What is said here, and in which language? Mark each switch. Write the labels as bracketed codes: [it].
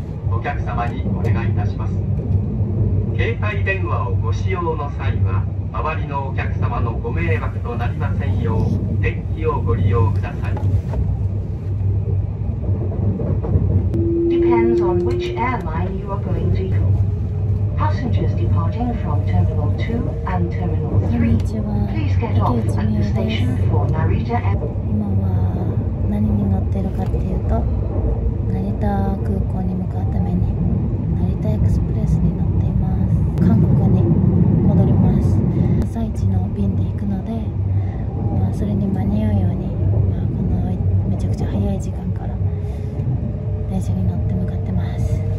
[ja] お客様にお願いいたします。携帯電話をご使用の際は周りのお客様のご迷惑となりませんよう電気をご利用ください。 [en] Depends on which airline you are going to use. Passengers departing from Terminal 2 and Terminal 3, please get off at the station for Narita Airport. [ja] 今は何に乗ってるかっていうと、成田空港に向かうために成田エクスプレスに乗っています。韓国に戻ります。朝一の便で行くので、まあ、それに間に合うように、まあ、このめちゃくちゃ早い時間から電車に乗って向かってます。